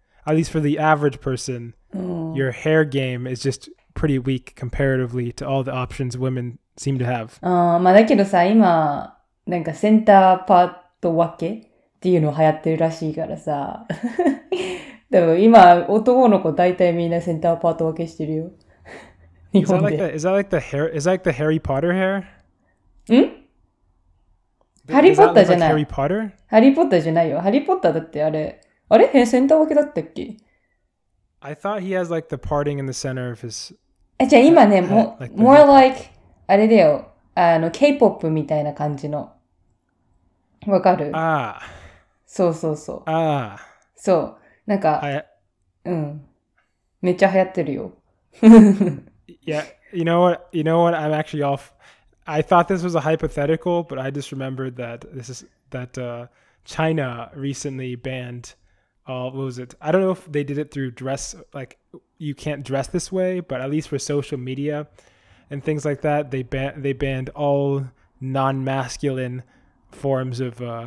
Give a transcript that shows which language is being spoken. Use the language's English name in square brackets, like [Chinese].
[English] At least for the average person, your hair game is just pretty weak comparatively to all the options women seem to have. [Japanese] まあだけどさ、今なんかセンターパート分けっていうの流行ってるらしいからさ。でも今男の子大体みんなセンターパート分けしてるよ。日本で。 [English] Is that like the Harry Potter hair? [Japanese] ん？ハリーポッターじゃない。 [English] Harry Potter? [Japanese] ハリーポッターじゃないよ。ハリーポッターだってあれ。あれ？え、センター分けだったっけ？ [English] I thought he has like the parting in the center of his... [Japanese] え、じゃあ今ね、head, も、 [English] like、more like, [Japanese] あれだよ、あの、K-POP みたいな感じの。わかる？ああ。そうそうそう。ああ。そう。なんか、めっちゃ流行ってるよ。 [English] Yeah, you know what, I'm actually off. I thought this was a hypothetical, but I just remembered that this is, that China recently banned... what was it? I don't know if they did it through dress, like, you can't dress this way, but at least for social media and things like that, they banned all non-masculine forms of